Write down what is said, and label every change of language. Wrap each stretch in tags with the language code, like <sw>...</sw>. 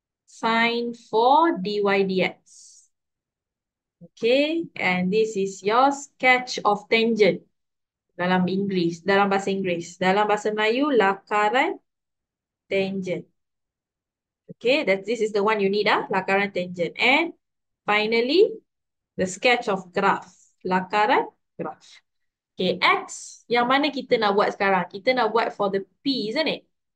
<en>sine 4 dy dx. Okay, and this is your sketch of tangent</en> <ms>dalam English, dalam bahasa Inggeris. Dalam bahasa Melayu, lakaran tangent.</ms> <en>Okay, that this is the one you need,</en> <ms>lakaran tangent.</ms> <en>And finally, the sketch of graph,</en> <ms>lakaran graph. Okay, X, yang mana kita nak buat sekarang? Kita nak buat</ms> <en>for the P, isn't it?</en>